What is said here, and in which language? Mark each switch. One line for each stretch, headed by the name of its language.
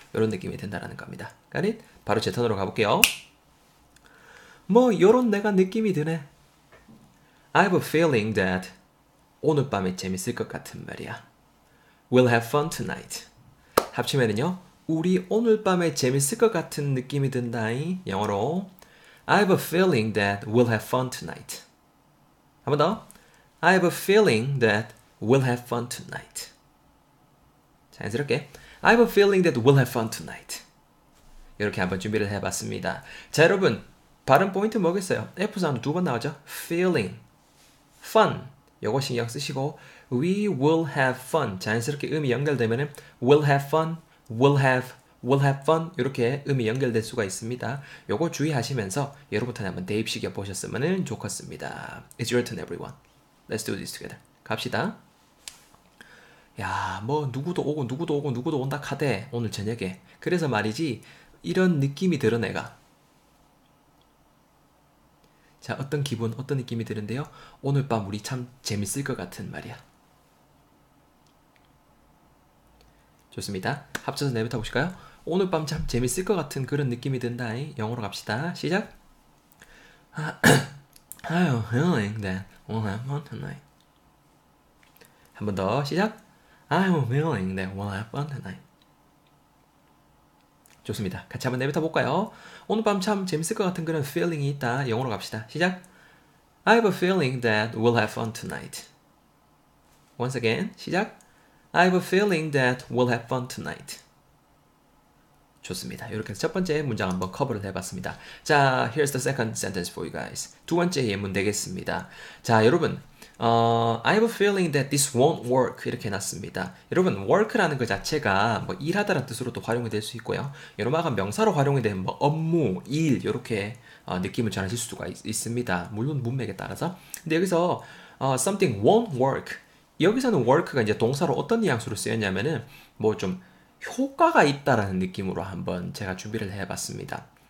Korean: 이런 느낌이 된다라는 겁니다. 가릿, 바로 제 턴으로 가볼게요. 뭐 이런 내가 느낌이 드네.
English: I have a feeling that
Korean: 오늘 밤이 재밌을 것 같은 말이야.
English: We'll have fun tonight.
Korean: 합치면은요, 우리 오늘 밤에 재밌을 것 같은 느낌이 든다잉. 영어로
English: I have a feeling that we'll have fun tonight.
Korean: 한번 더.
English: I have a feeling that we'll have fun tonight.
Korean: 자연스럽게
English: I have a feeling that we'll have fun tonight.
Korean: 이렇게 한번 준비를 해봤습니다. 자, 여러분, 발음 포인트 뭐겠어요? F 사운드 두번 나오죠? Feeling, fun. 요거 신경 쓰시고
English: We will have fun. 자연스럽게 음이 연결되면은 will have fun, will have fun.
Korean: 이렇게 음이 연결될 수가 있습니다. 요거 주의하시면서 여러분한테 한번 대입시켜 보셨으면 좋겠습니다.
English: It's your turn, everyone. Let's do this together.
Korean: 갑시다. 야, 뭐 누구도 오고 누구도 오고 누구도 온다 카대 오늘 저녁에. 그래서 말이지 이런 느낌이 들어 내가. 자, 어떤 기분, 어떤 느낌이 드는데요? 오늘 밤 우리 참 재밌을 것 같은 말이야. 좋습니다. 합쳐서 내뱉어 보실까요? 오늘 밤참 재밌을 것 같은 그런 느낌이 든다. 영어로 갑시다. 시작.
English: I have a feeling that we'll have fun tonight.
Korean: 한번 더. 시작.
English: I have a feeling that we'll have fun tonight.
Korean: 좋습니다. 같이 한번 내뱉어 볼까요? 오늘 밤참 재밌을 것 같은 그런 feeling이 있다. 영어로 갑시다. 시작.
English: I have a feeling that we'll have fun tonight. Once again,
Korean: 시작.
English: I have a feeling that we'll have fun tonight.
Korean: 좋습니다. 이렇게 해서 첫 번째 문장 한번 커버를 해봤습니다.
English: 자, here's the second sentence for you guys.
Korean: 두 번째 예문 되겠습니다.
English: 자, 여러분, I have a feeling that this won't work.
Korean: 이렇게 해놨습니다. 여러분, work라는 것 자체가 뭐 일하다라는 뜻으로도 활용이 될수 있고요. 여러분, 아까 명사로 활용이 된뭐 업무, 일, 이렇게 느낌을 전하실 수가 있습니다. 물론 문맥에 따라서. 근데 여기서
English: something won't work.
Korean: 여기서는 work가 이제 동사로 어떤 뉘앙스로 쓰였냐면은 뭐좀 효과가 있다라는 느낌으로 한번 제가 준비를 해봤습니다.